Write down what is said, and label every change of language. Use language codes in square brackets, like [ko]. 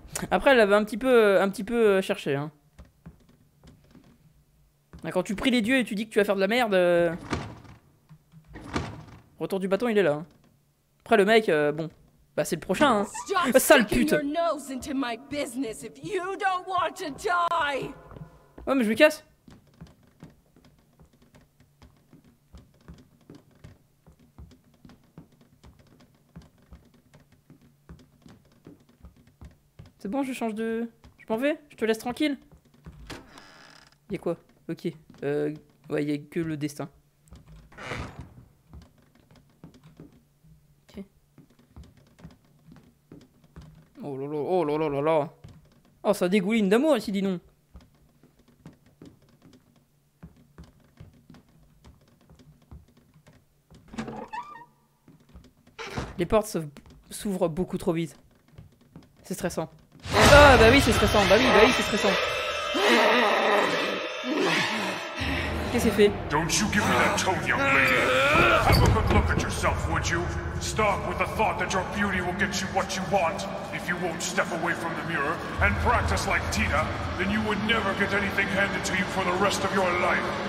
[fr] Après, elle avait un petit peu cherché, hein. Quand tu pries les dieux et tu dis que tu vas faire de la merde... Retour du bâton, il est là. Après, le mec, bon. Bah c'est le prochain, hein. [en] Stop [fr] sale pute. [en] Your nose into my business if you don't want to die. [fr] Ouais mais je me casse. C'est bon, je change de... Je m'en vais, je te laisse tranquille. Y'a quoi? Ok. Ouais, y'a que le destin. Ok. Oh là là, oh là là là là. Oh, ça dégouline d'amour ici, dis donc. Les portes s'ouvrent beaucoup trop vite. C'est stressant. Ah bah oui c'est stressant, bah oui c'est stressant. Qu'est-ce qu'il fait? [en] Don't you give me that tone, young lady. Have a good look at yourself, would you? Start with the thought that your beauty will get you what you want. If you won't step away from the mirror and practice like Tina, then you would never get anything handed to you for the rest of your life.